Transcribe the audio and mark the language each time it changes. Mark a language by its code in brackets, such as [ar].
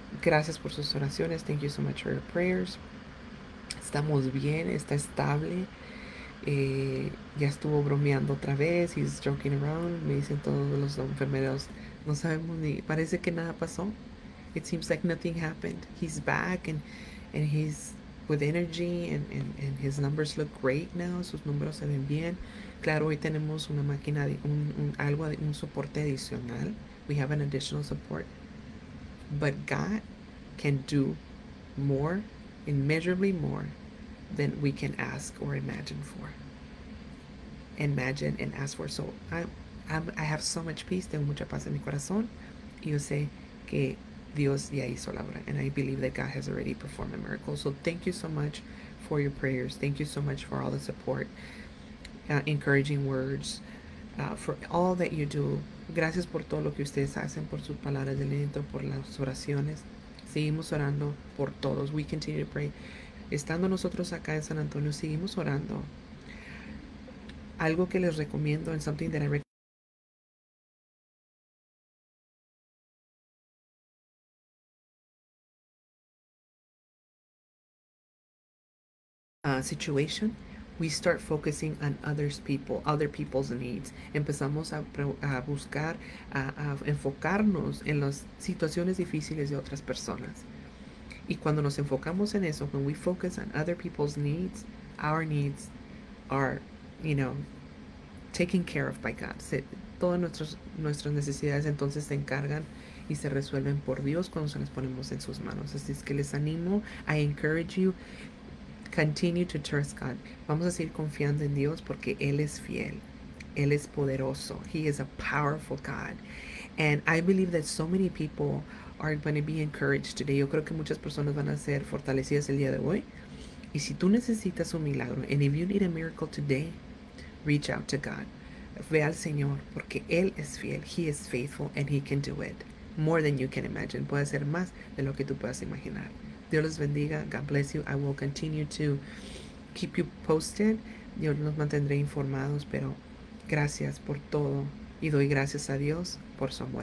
[es] Gracias por sus oraciones. [en] Thank you so much for your prayers. [es] Estamos bien, está estable. Ya estuvo bromeando otra vez, [en] he's joking around, [es] me dicen todos los enfermeros, no sabemos ni, parece que nada pasó. [en] It seems like nothing happened. He's back and he's with energy and his numbers look great now. [es] Sus números se ven bien. Claro, hoy tenemos una máquina de algo de un soporte adicional. [en] We have an additional support. But God can do more, immeasurably more than we can ask or imagine for. Imagine and ask for. So I have so much peace, [es] tengo mucha paz en mi corazón. Y yo sé que Dios ya hizo la obra. [en] And I believe that God has already performed a miracle. So thank you so much for your prayers. Thank you so much for all the support, encouraging words, for all that you do. [es] Gracias por todo lo que ustedes hacen, por sus palabras de aliento, por las oraciones. Seguimos orando por todos. [en] We continue to pray. [es] Estando nosotros acá en San Antonio, seguimos orando. Algo que les recomiendo, [en] and something that I recommend. Situation, we start focusing on other people's needs. [es] Empezamos a buscar, a enfocarnos en las situaciones difíciles de otras personas. Y cuando nos enfocamos en eso, [en] when we focus on other people's needs, our needs are, taken care of by God. [es] Todas nuestras necesidades entonces se encargan y se resuelven por Dios cuando se las ponemos en sus manos. Así es que les animo, [en] I encourage you. Continue to trust God. [es] Vamos a seguir confiando en Dios porque Él es fiel. Él es poderoso. [en] He is a powerful God. And I believe that so many people are going to be encouraged today. [es] Yo creo que muchas personas van a ser fortalecidas el día de hoy. Y si tú necesitas un milagro, [en] and if you need a miracle today, reach out to God. [es] Ve al Señor porque Él es fiel. [en] He is faithful and He can do it more than you can imagine. [es] Puede ser más de lo que tú puedas imaginar. Dios los bendiga. [en] God bless you. I will continue to keep you posted. [es] Yo los mantendré informados, pero gracias por todo. Y doy gracias a Dios por su amor.